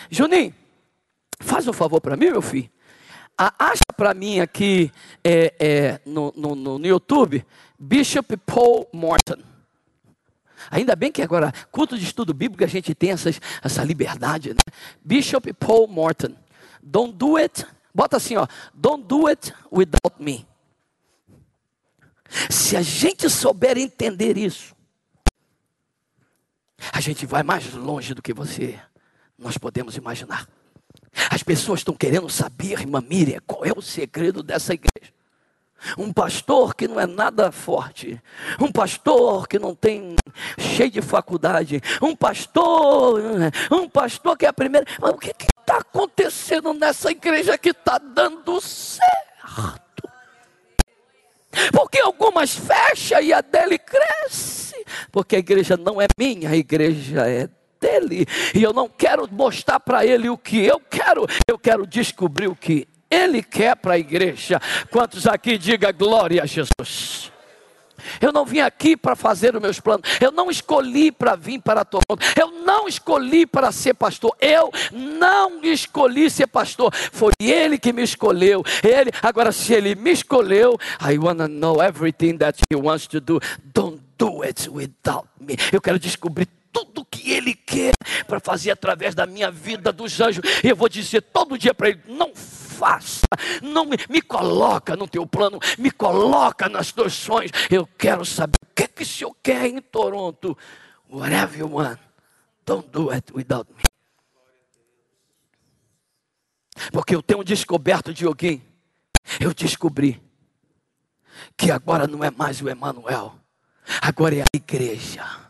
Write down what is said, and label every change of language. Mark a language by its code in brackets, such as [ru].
[pt] Juninho, faz um favor para mim, meu filho. Acha para mim aqui no YouTube, Bishop Paul Morton. Ainda bem que agora, culto de estudo bíblico, a gente tem essa liberdade, né? Bishop Paul Morton. [en] Don't do it, [pt] bota assim, ó: [en] don't do it without me. [pt] Se a gente souber entender isso, a gente vai mais longe do que nós podemos imaginar. As pessoas estão querendo saber, irmã Miriam, qual é o segredo dessa igreja. Um pastor que não é nada forte, um pastor que não tem, cheio de faculdade, um pastor que é a primeira, mas o que está acontecendo nessa igreja que está dando certo? Porque algumas fecham e a dele cresce, porque a igreja não é minha, a igreja é dele, e eu não quero mostrar para ele o que eu quero descobrir o que ele quer para a igreja. Quantos aqui diga glória a Jesus? Eu não vim aqui para fazer os meus planos, eu não escolhi para vir para Toronto, eu não escolhi para ser pastor, eu não escolhi ser pastor, foi ele que me escolheu. Ele, agora se ele me escolheu, [en] I want to know everything that he wants to do, don't do it without me. [pt] Eu quero descobrir tudo que ele quer para fazer através da minha vida, dos anjos, e eu vou dizer todo dia para ele, não faça, não me coloca no teu plano, me coloca nas tuas sonhos, eu quero saber o que, que o senhor quer em Toronto. [en] Whatever you want, don't do it without me. [pt] Porque eu tenho descoberto de alguém, eu descobri que agora não é mais o Emmanuel, agora é a igreja.